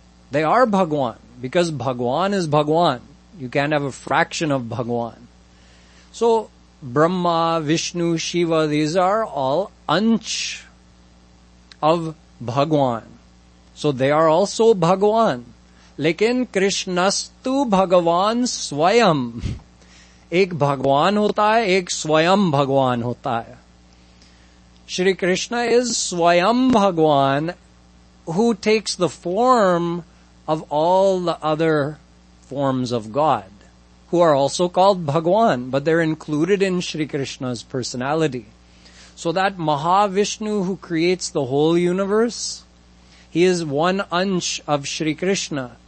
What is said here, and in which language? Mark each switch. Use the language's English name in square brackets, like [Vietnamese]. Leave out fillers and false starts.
[English] They are Bhagwan, because Bhagwan is Bhagwan. You can't have a fraction of Bhagwan. So Brahma, Vishnu, Shiva, these are all ansh of Bhagwan. So they are also Bhagwan. [Sanskrit] Lekin Krishnastu Bhagavan Swayam. [Hindi] एक भगवान होता है, एक स्वयं भगवान होता है। [English] Shri Krishna is Swayam Bhagwan, who takes the form of all the other forms of God, who are also called Bhagwan, but they're included in Shri Krishna's personality. So that Mahavishnu who creates the whole universe, he is one ansh of Shri Krishna.